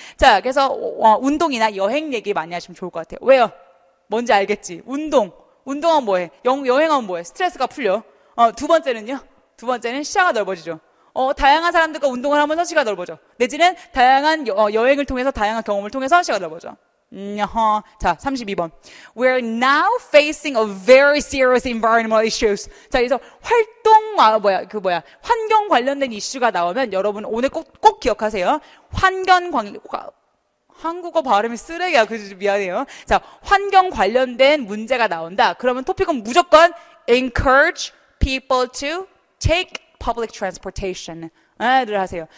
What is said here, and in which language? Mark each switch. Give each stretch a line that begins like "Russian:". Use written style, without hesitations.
Korean: 자, 그래서, 운동이나 여행 얘기 많이 하시면 좋을 것 같아요. 왜요? 뭔지 알겠지? 운동. 운동하면 뭐해? 여행하면 뭐해? 스트레스가 풀려. 두 번째는요? 두 번째는 시야가 넓어지죠. 다양한 사람들과 운동을 하면서 시야가 넓어져. 내지는 다양한 여행을 통해서, 다양한 경험을 통해서 시야가 넓어져. 자, 32번.
English: We're now facing a very serious environmental issues.
Korean: 자, 그래서 환경 관련된 이슈가 나오면 여러분 오늘 꼭 기억하세요. 한국어 발음이 쓰레기야. 그지? 미안해요. 자, 환경 관련된 문제가 나온다. 그러면 토픽은 무조건
English: encourage people to take public transportation.
Korean: 들 하세요.